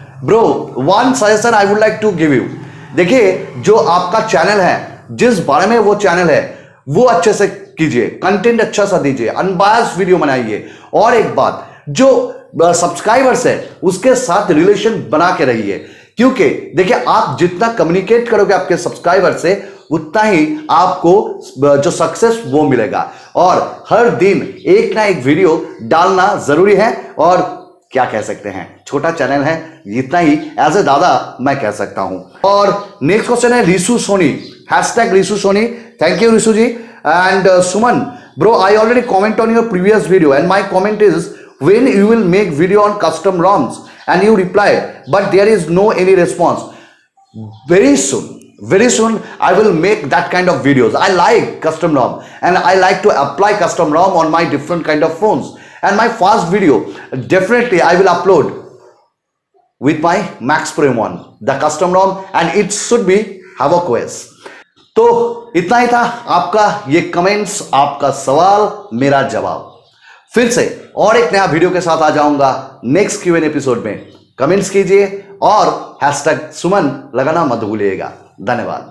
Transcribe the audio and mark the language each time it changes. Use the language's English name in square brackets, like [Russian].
[Hindi] Bro, [English] one suggestion I would like to give you, [Hindi] देखिए जो आपका चैनल है, जिस बारे में वो चैनल है वो अच्छे से कीजिए, कंटेंट अच्छा सा दीजिए, अनबायस वीडियो बनाइए, और एक बात, जो सब्सक्राइबर्स है उसके साथ रिलेशन बना के रहिए, क्योंकि देखिए आप जितना कम्युनिकेट करोगे आपके सब्सक्राइबर से उतना ही आपको जो सक्सेस वो मिलेगा। और हर दिन एक ना एक वीडियो डालना जरूरी है, और क्या कह सकते हैं, छोटा चैनल है, इतना ही एज ए दादा मैं कह सकता हूं। और नेक्स्ट क्वेश्चन है Rishu Soni, hashtag Rishu Soni, thank you Rishu ji. [English] And Suman bro, I already comment on your previous video and my comment is When you will make video on custom ROMs and you reply, but there is no any response. Very soon, Very soon, I will make that kind of videos. I like custom ROM and I like to apply custom ROM on my different kind of phones. And my first video, definitely I will upload with my Max Pro M1, the custom ROM, and it should be Havoc OS. [Hindi] तो इतना ही था आपका ये comments, आपका सवाल, मेरा जवाब. फिर से और एक नया वीडियो के साथ आ जाऊंगा नेक्स्ट Q&A एपिसोड में. कमेंट्स कीजिए और #सुमन लगाना मत भूलिएगा. धन्यवाद.